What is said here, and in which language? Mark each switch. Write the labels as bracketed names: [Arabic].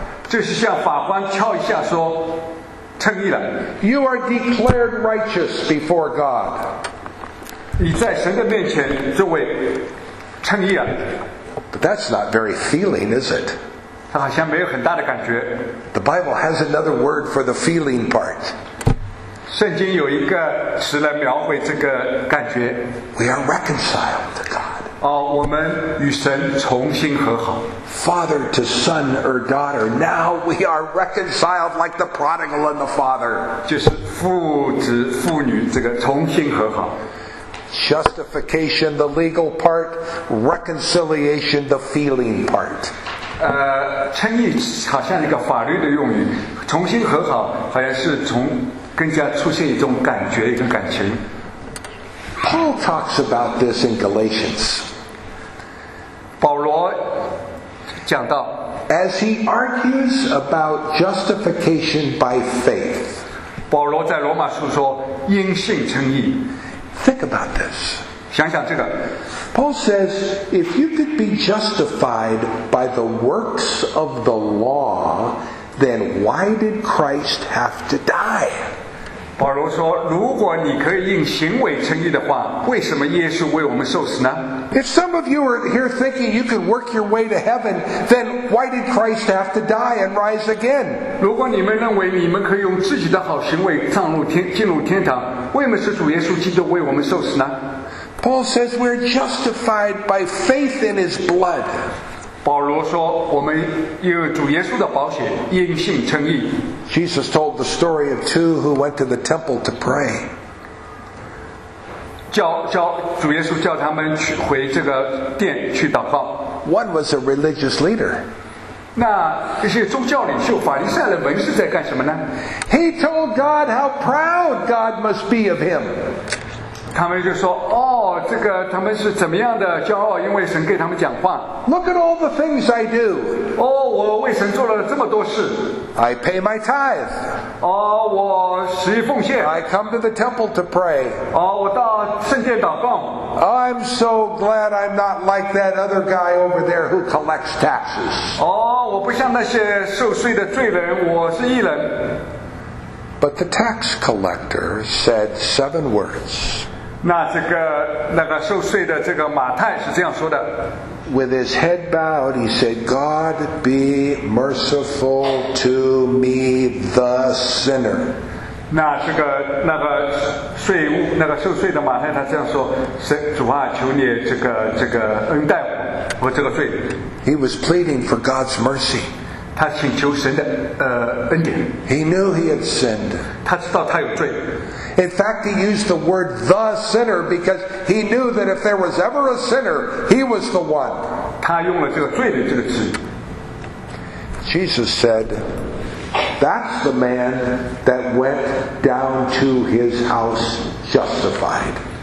[Chinese] 就是像法官敲一下说，称义了。 [English] You are declared righteous before God. [Chinese] 你在神的面前作为称义了。 [English] But that's not very feeling, is it? [Chinese] 它好像没有很大的感觉。 [English] The Bible has another word for the feeling part. [Chinese] 圣经有一个词来描绘这个感觉。 [English] We are reconciled to God. [Chinese] 我们与神重新和好。 [English] Father to son or daughter, now we are reconciled like the prodigal and the father. [Chinese] 就是父子父女这个重新和好。 [English] Justification, the legal part; reconciliation, the feeling part. [Chinese] 称义好像一个法律的用语，重新和好好像是从。更加出现一种感觉，一个感情。 [English] Paul talks about this in Galatians. [Chinese] 保罗讲到 [English] ，as he argues about justification by faith. [Chinese] 保罗在罗马书说，因信称义。 [English] Think about this. [Chinese] 想想这个。 [English] Paul says, if you could be justified by the works of the law, then why did Christ have to die? [Chinese] 保罗说，如果你可以用行为称义的话，为什么耶稣为我们受死呢？ [English] If some of you are here thinking you can work your way to heaven, then why did Christ have to die and rise again? [Chinese] 如果你们认为你们可以用自己的好行为上入天，进入天堂，为什么是主耶稣基督为我们受死呢？ [English] Paul says we're justified by faith in his blood. [Chinese] 保罗说，我们有主耶稣的宝血，因信称义。 [English] Jesus told the story of two who went to the temple to pray. [Chinese] 主耶稣叫他们去回这个殿去祷告。 [English] One was a religious leader. [Chinese] 那这些宗教领袖、法利赛人、文士在干什么呢？ [English] He told God how proud God must be of him. [Chinese] 他们就说，这个他们是怎么样的骄傲，因为神给他们讲话。 [English] Look at all the things I do. [Chinese] 我为神做了这么多事。 [English] I pay my tithe. [Chinese] 我十一奉献。 [English] I come to the temple to pray. [Chinese] 我到圣殿祷告。 [English] I'm so glad I'm not like that other guy over there who collects taxes. [Chinese] 我不像那些受税的罪人，我是义人。 [English] But the tax collector said seven words. [Chinese] 那个受税的这个马太是这样说的。 [English] With his head bowed, he said, God be merciful to me, the sinner. [Chinese] 那个税务，那个受税的马太他这样说，主啊，求你这个恩待我这个罪。 [English] He was pleading for God's mercy. [Chinese] 他请求神的恩典。 [English] He knew he had sinned. [Chinese] 他知道他有罪。 [English] In fact, he used the word the sinner because he knew that if there was ever a sinner, he was the one. [Chinese] 他用了这个罪的这个词。 [English] Jesus said, that's the man that went down to his house justified.